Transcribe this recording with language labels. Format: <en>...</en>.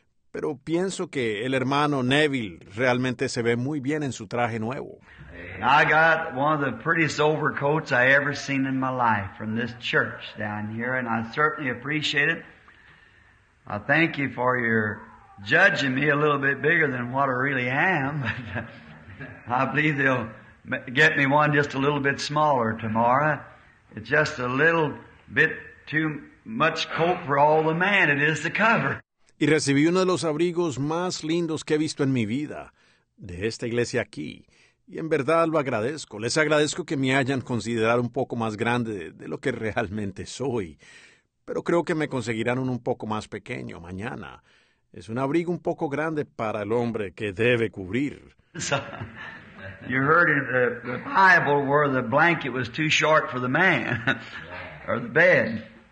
<es>Pero pienso que el hermano Neville realmente se ve muy bien en su traje nuevo.</es> <en>I got one of the prettiest overcoats I ever seen in my life from this church down here, and I certainly appreciate it. I thank you for your judging me a little bit bigger than what I really am. I believe they'll get me one just a little bit smaller tomorrow. It's just a little bit too much coat for all the man it is to cover.</en> <es>Y recibí uno de los abrigos más lindos que he visto en mi vida, de esta iglesia aquí. Y en verdad lo agradezco. Les agradezco que me hayan considerado un poco más grande de lo que realmente soy. Pero creo que me conseguirán un poco más pequeño mañana. Es un abrigo un poco grande para el hombre que debe cubrir.</es> <en>So, you heard in the Bible where the blanket was too short for the man, or the bed.</en>